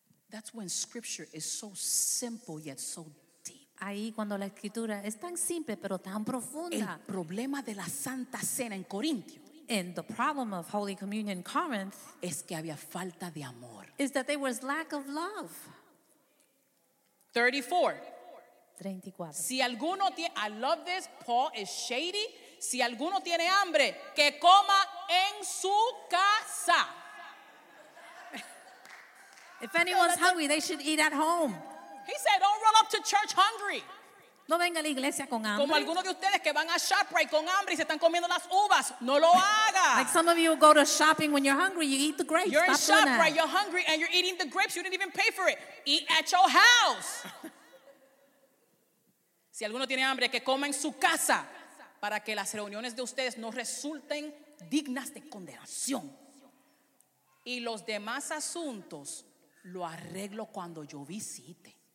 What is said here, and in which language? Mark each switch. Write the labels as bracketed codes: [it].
[en] That's when scripture is so simple yet so deep. [es] Ahí cuando la escritura es tan simple pero tan profunda. El problema de la Santa Cena en Corintio. [en] And the problem of Holy Communion in Corinth. [es] Es que había falta de amor. [en] Is that there was lack of love. 34. [es] Si alguno tiene, [en] I love this, Paul is shady. [es] Si alguno tiene hambre, que coma en su casa. [en] If anyone's hungry, they should eat at home. He said, don't run up to church hungry. [es] No venga a la iglesia con hambre. Como algunos de ustedes que van a ShopRite con hambre y se están comiendo las uvas, no lo haga. [en] Like some of you go to shopping when you're hungry, you eat the grapes. You're stop in ShopRite, you're hungry, and you're eating the grapes. You didn't even pay for it. Eat at your house. [es] Si alguno tiene hambre, que coma en su casa para que las reuniones de ustedes no resulten dignas de condenación. Y los demás asuntos lo arreglo cuando yo visite.